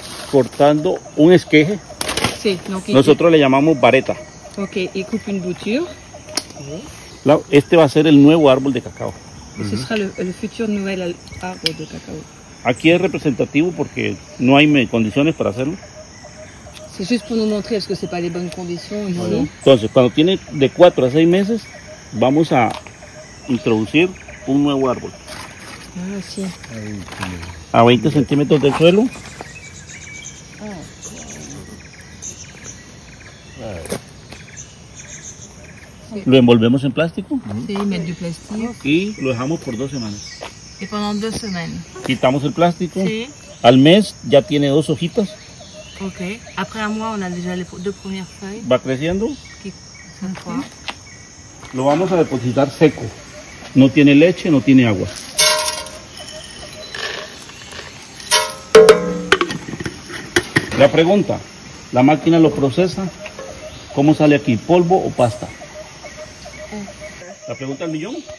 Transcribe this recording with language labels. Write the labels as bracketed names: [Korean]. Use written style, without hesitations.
[Spanish] Cortando un esqueje. Sí. Okay. Nosotros le llamamos vareta. Ok. ¿Y coupin bouture? Sí. Este va a ser el nuevo árbol de cacao. Ese será el futuro nuevo árbol de cacao. Aquí es representativo porque no hay condiciones para hacerlo. [French] C'est juste pour nous montrer parce que c'est pas les bonnes conditions. [Spanish] Entonces, cuando tiene de 4 a 6 meses, vamos a introducir un nuevo árbol. Ah, sí. A 20 centímetros del suelo. Sí. Lo envolvemos en plástico. Sí, mete el plástico. Y lo dejamos por 2 semanas. Y pendant 2 semanas. Quitamos el plástico. Sí. Al mes ya tiene 2 hojitas. Ok. [French] Après un mois, on a déjà les 2 premières feuilles. [Spanish] Va creciendo. Okay. Lo vamos a depositar seco. No tiene leche, no tiene agua. La pregunta: ¿la máquina lo procesa? ¿Cómo sale aquí? ¿Polvo o pasta? ¿La pregunta al millón?